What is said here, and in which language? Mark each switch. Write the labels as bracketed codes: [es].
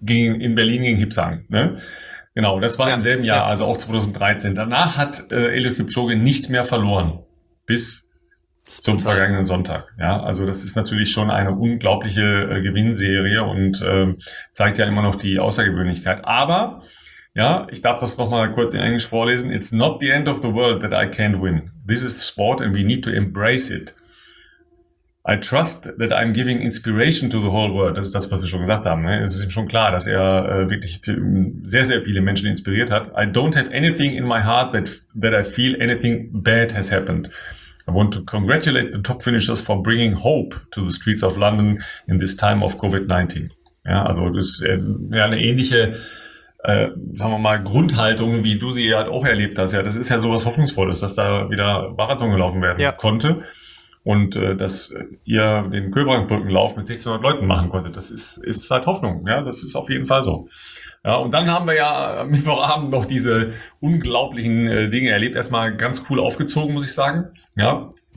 [de] In Berlin gegen Kipsang, ne? Genau, das war im selben Jahr, also auch 2013. Danach hat Eliud Kipchoge nicht mehr verloren, bis zum vergangenen Sonntag. Ja, also das ist natürlich schon eine unglaubliche Gewinnserie und zeigt ja immer noch die Außergewöhnlichkeit. Aber, ja, ich darf das nochmal kurz in Englisch vorlesen. [en] It's not the end of the world that I can't win. This is sport and we need to embrace it. I trust that I'm giving inspiration to the whole world. [de] Das ist das, was wir schon gesagt haben. Ne? Es ist ihm schon klar, dass er wirklich sehr, sehr viele Menschen inspiriert hat. [en] I don't have anything in my heart that I feel anything bad has happened. I want to congratulate the top finishers for bringing hope to the streets of London in this time of COVID-19. [de] Ja, also das ist eine ähnliche, sagen wir mal, Grundhaltung, wie du sie halt auch erlebt hast. Ja, das ist ja sowas Hoffnungsvolles, dass da wieder Marathon gelaufen werden konnte und dass ihr den Köbrangbrückenlauf mit 1600 Leuten machen konntet. Das ist halt Hoffnung. Ja, das ist auf jeden Fall so. Ja, und dann haben wir ja am Mittwochabend noch diese unglaublichen Dinge erlebt. Erstmal ganz cool aufgezogen, muss ich sagen. Ja.